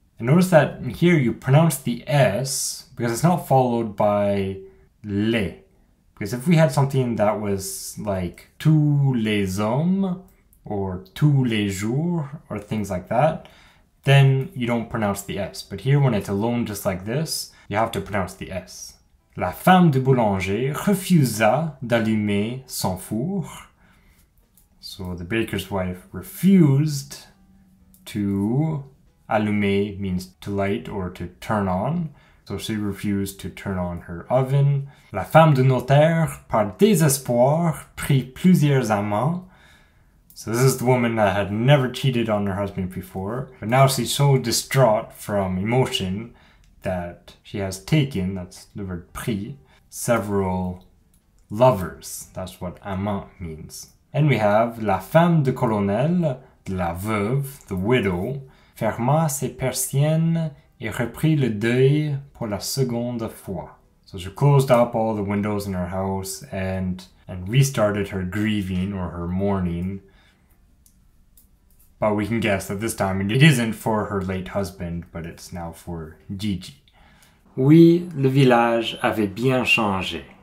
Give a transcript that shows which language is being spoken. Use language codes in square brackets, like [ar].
[en] And notice that here you pronounce the S because it's not followed by le. Because if we had something that was like [fr] tous les hommes [en] or [fr] tous les jours [en] or things like that, then you don't pronounce the S. But here when it's alone just like this, you have to pronounce the S. [fr] La femme du boulanger refusa d'allumer son four. [en] So the baker's wife refused to allumer means to light or to turn on. So she refused to turn on her oven. [fr] La femme du notaire, par désespoir, prit plusieurs amants. [en] So this is the woman that had never cheated on her husband before. But now she's so distraught from emotion that she has taken, that's the word pris, several lovers. That's what amant means. And we have [fr] la femme du colonel, la veuve, [en] the widow, [fr] ferma ses persiennes et reprit le deuil pour la seconde fois. [en] So she closed up all the windows in her house and restarted her grieving or her mourning. But we can guess that this time it isn't for her late husband, but it's now for Gigi. [fr] Oui, le village avait bien changé.